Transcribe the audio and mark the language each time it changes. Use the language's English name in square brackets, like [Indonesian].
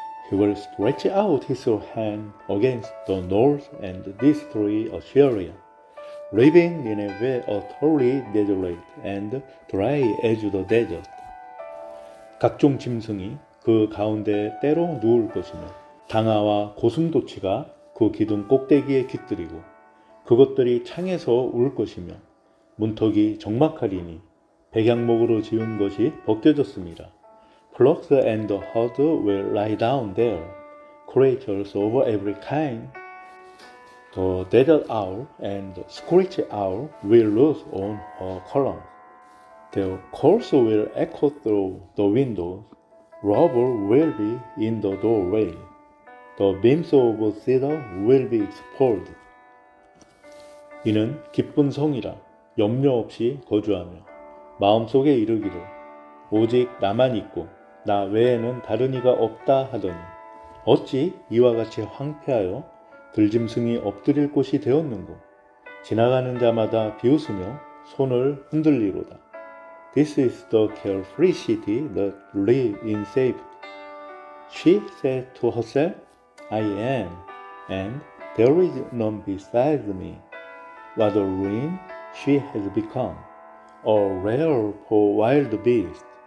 [English] He will stretch out his hand against the north and destroy Assyria, leaving Nineveh a totally desolate and dry as the desert. [Korean] 각종 짐승이 그 가운데 때로 누울 것이며 당아와 고슴도치가 그 기둥 꼭대기에 깃들이고 그것들이 창에서 울 것이며 문턱이 적막하리니 백향목으로 지은 것이 벗겨졌습니다. [English] Flocks and herd will lie down there, creatures of every kind. The desert owl and screech owl will roost on her columns. Their calls will echo through the windows. Rubble will be in the doorway. The beams of cedar will be exposed. [Korean] 이는 기쁜 성이라 염려 없이 거주하며 마음속에 이르기를 오직 나만 있고 나 외에는 다른 이가 없다 하더니 어찌 이와 같이 황폐하여 들짐승이 엎드릴 곳이 되었는고 지나가는 자마다 비웃으며 손을 흔들리로다. [English] This is the carefree city that lives in safety. She said to herself, I am, and there is none besides me. What a ruin she has become, a rare for wild beasts.